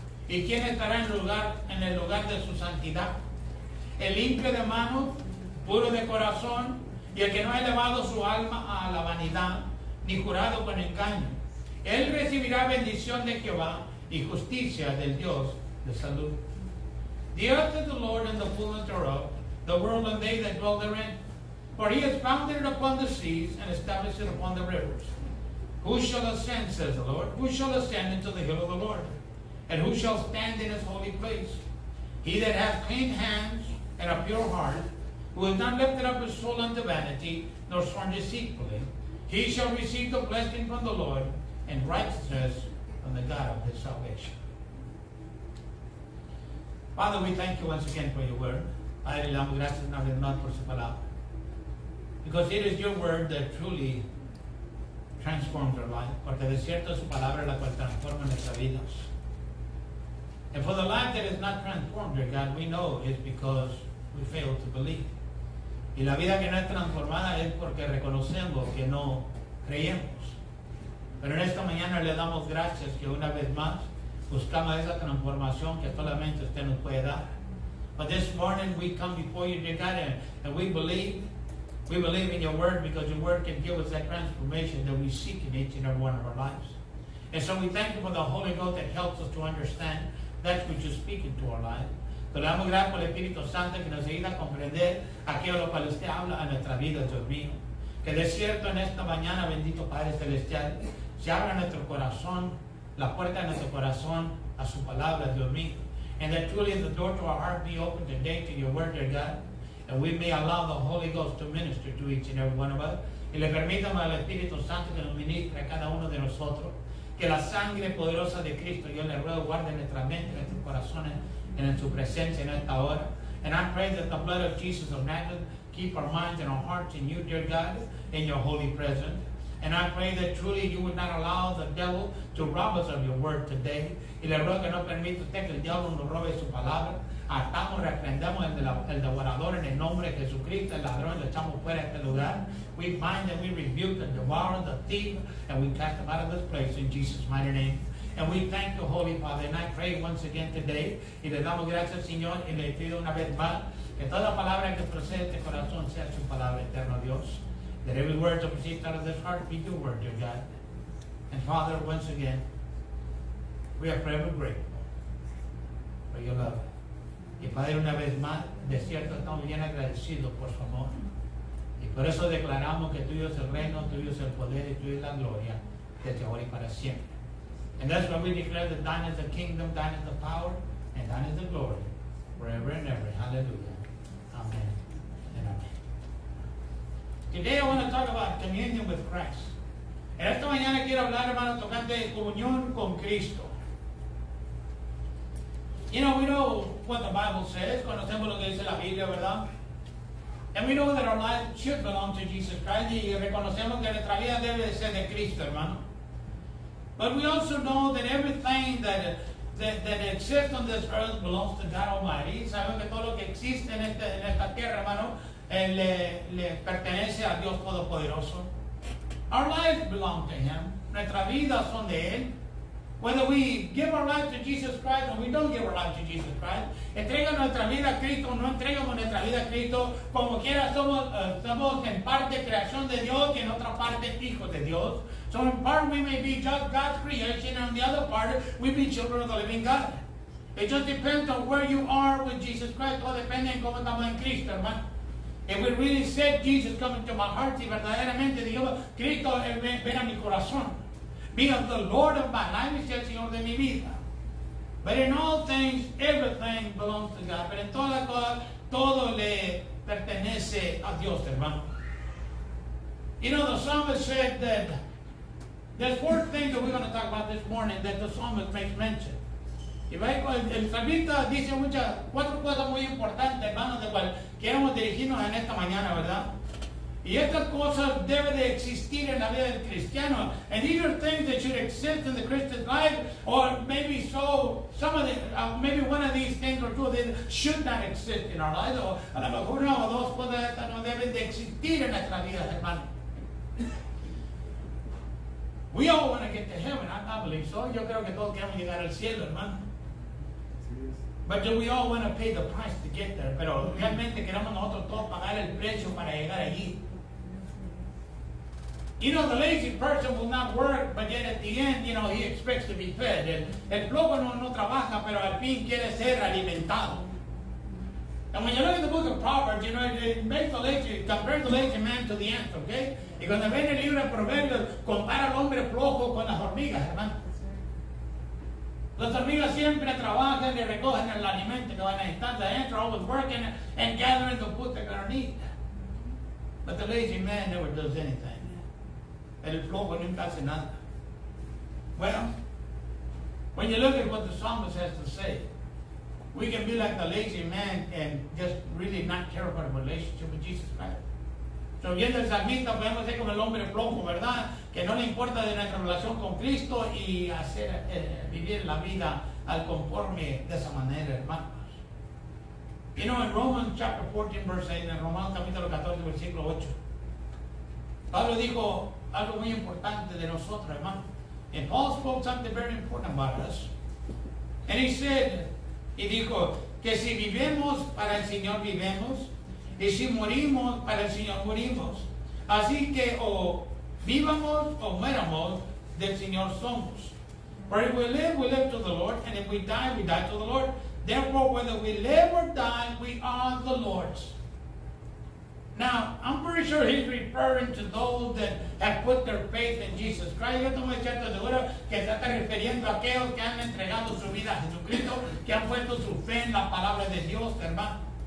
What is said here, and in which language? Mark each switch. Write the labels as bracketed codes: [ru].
[es] ¿Y quién estará en el lugar de su santidad? El limpio de mano, puro de corazón, y el que no ha elevado su alma a la vanidad, ni jurado con engaño. Él recibirá bendición de Jehová y justicia del Dios de salud. [en] The earth is the Lord and the fullness thereof, the world and they that dwell therein. For he has founded it upon the seas and established it upon the rivers. Who shall ascend, says the Lord? Who shall ascend into the hill of the Lord? And who shall stand in his holy place? He that hath clean hands and a pure heart, who hath not lifted up his soul unto vanity, nor sworn deceitfully, he shall receive the blessing from the Lord and righteousness from the God of his salvation. Father, we thank you once again for your word. [es] Padre, le damos gracias una vez más por su palabra. [en] Because it is your word that truly transforms our life. [es] Porque de cierto su palabra la cual transforma nuestras vidas. [en] And for the life that is not transformed, dear God, we know it's because we fail to believe. [es] Y la vida que no es transformada es porque reconocemos que no creemos. Pero en esta mañana le damos gracias que una vez más buscamos esa transformación que solamente usted nos puede dar. [en] But this morning we come before you, dear God, and we believe. We believe in your word because your word can give us that transformation that we seek in each and every one of our lives. And so we thank you for the Holy Ghost that helps us to understand that which you speak into our life. [es] Te damos gracias por el Espíritu Santo que nos ayuda a comprender aquello lo cual usted habla a nuestra vida, Dios mío. Que de cierto en esta mañana, bendito Padre Celestial, se abra nuestro corazón, la puerta de nuestro corazón a su palabra, Dios mío. [en] And that truly the door to our heart be open today to your word, dear God. And we may allow the Holy Ghost to minister to each and every one of us. [es] Y le permitamos al Espíritu Santo que nos ministre a cada uno de nosotros. Que la sangre poderosa de Cristo, yo le ruego, guarde nuestra mente, nuestros corazones, and en su presencia en esta hora. [en] And I pray that the blood of Jesus of Nazareth keep our minds and our hearts in you, dear God, in your holy presence. And I pray that truly you would not allow the devil to rob us of your word today. [es] Y le ruego que no permita usted que el diablo nos robe su palabra. Atamos, reprendemos el devorador en el nombre de Jesucristo, el ladrón, lo echamos fuera de este lugar. [en] We bind and we rebuke the devourer, the thief, and we cast them out of this place in Jesus' mighty name. And we thank the Holy Father, and I pray once again today, [es] y le damos gracias, Señor, y le pido una vez más, que toda palabra que procede de este corazón sea su palabra, eterno Dios. [en] That every word that proceeds out of this heart be your word, dear God. And Father, once again, we are forever grateful for your love. [es] Y Padre, una vez más, de cierto, estamos bien agradecidos por su amor. Y por eso declaramos que tuyo es el reino, tuyo es el poder y tuyo es la gloria desde ahora y para siempre. [en] And that's why we declare that thine is the kingdom, thine is the power, and thine is the glory, forever and ever. Hallelujah. Amen and amen. Today I want to talk about communion with Christ. [es] En esta mañana quiero hablar, hermano, tocante de comunión con Cristo. [en] You know, we know what the Bible says. [es] Conocemos lo que dice la Biblia, ¿verdad? [en] And we know that our life should belong to Jesus Christ. [es] Y reconocemos que nuestra vida debe ser de Cristo, hermano. [en] But we also know that everything that exists on this earth belongs to God Almighty. [es] Sabemos que todo lo que existe en esta tierra, hermano, le pertenece a Dios Todopoderoso. [en] Our life belongs to Him. [es] Nuestra vida son de Él. [en] Whether we give our life to Jesus Christ or we don't give our life to Jesus Christ, [es] entrega nuestra vida a Cristo o no entregamos nuestra vida a Cristo, como quiera somos en parte creación de Dios y en otra parte hijos de Dios. [en] So in part we may be just God's creation and on the other part we be children of the living God. It just depends on where you are with Jesus Christ. [es] Todo depende en cómo estamos en Cristo, hermano. [en] If we really said Jesus come into my heart, [es] si verdaderamente dijimos Cristo ven a mi corazón. [en] Be of the Lord of my life, [es] y el Señor de mi vida. [en] But in all things, everything belongs to God. [es] Pero en todas las cosas, todo le pertenece a Dios, hermano. [en] You know, the psalmist said that there's four things that we're going to talk about this morning that the psalmist makes mention. [es] Y el salmista dice muchas, cuatro cosas muy importantes, hermano, de cual queremos dirigirnos en esta mañana, ¿verdad? Y estas cosas deben de existir en la vida del cristiano. [en] And these are things that should exist in the Christian life, or maybe so some of the, maybe one of these things or two of them should not exist in our lives. [es] O a lo mejor una o dos cosas de estas no deben de existir en nuestra vida, hermano. [en] We all want to get to heaven. I believe so. [es] Yo creo que todos queremos llegar al cielo, hermano. [en] But do we all want to pay the price to get there? [es] Pero realmente queremos nosotros todos pagar el precio para llegar allí. [en] You know, the lazy person will not work, but yet at the end, you know, he expects to be fed. [es] El flojo no trabaja, pero al fin quiere ser alimentado. [en] And when you look at the book of Proverbs, you know, compare the lazy man to the ant, okay? [es] Y cuando ven el libro de Proverbios, compara al hombre flojo con las hormigas, hermano. Las hormigas siempre trabajan y recogen el alimento que van a necesitar. [en] The ants are always working and gathering the food they're going to need. But the lazy man never does anything. [es] El flojo nunca hace nada. [en] Well, when you look at what the psalmist has to say, we can be like the lazy man and just really not care about a relationship with Jesus Christ. [es] So, viendo el salmista, podemos ser como el hombre flojo, ¿verdad? Que no le importa de nuestra relación con Cristo y hacer vivir la vida al conforme de esa manera, hermanos. [en] You know, in Romans chapter 14, verse 8, [es] en Romanos capítulo 14, versículo 8, Pablo dijo algo muy importante de nosotros, hermano. [en] And Paul spoke something very important about us. And he said, [es] y dijo, que si vivimos para el Señor, vivimos. Y si morimos para el Señor, morimos. Así que o vivamos o muéramos, del Señor somos. [en] For if we live, we live to the Lord. And if we die to the Lord. Therefore, whether we live or die, we are the Lord's. Now, I'm pretty sure he's referring to those that have put their faith in Jesus Christ. [es] Yo estoy muy cierto, seguro que se está refiriendo a aquellos que han entregado su vida a Jesucristo, que han puesto su fe en la palabra de Dios, hermano.